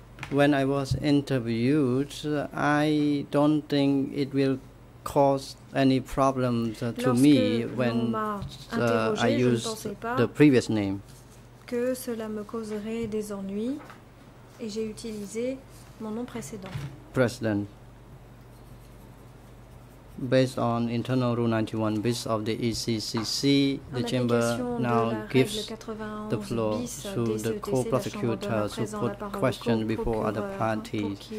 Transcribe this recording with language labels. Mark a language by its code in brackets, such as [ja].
[en] When I was interviewed, I don't think it will caused any problems to me when I used the previous name. [fr] Que cela me causerait des ennuis et j'ai utilisé mon nom précédent. [en] President, based on internal rule 91 bis of the ECCC, the chamber now gives the floor to the co-prosecutor to put questions before other parties.